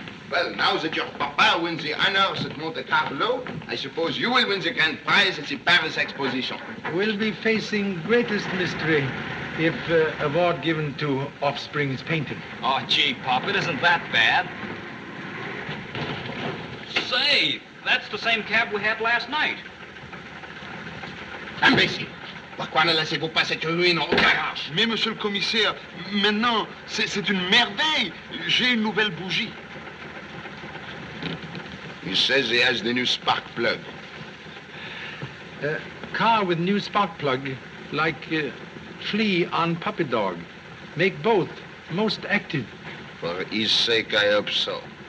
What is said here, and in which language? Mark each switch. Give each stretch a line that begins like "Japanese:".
English: Well, now that your papa wins the honors at Monte Carlo, I suppose you will win the grand prize at the Paris Exposition. We'll be facing greatest mystery if award given to offspring's painted. Oh, gee, Pop, it isn't that bad. Say, that's the same cab we had last night.
French: Imbécile! Pourquoi ne laissez-vous pas cette ruine au garage? Mais, monsieur le commissaire, maintenant, c'est une merveille. J'ai une nouvelle bougie.
English: He says he has the new spark plug. Car with new spark plug, like flea on puppy dog, make both most active. For his sake, I hope so.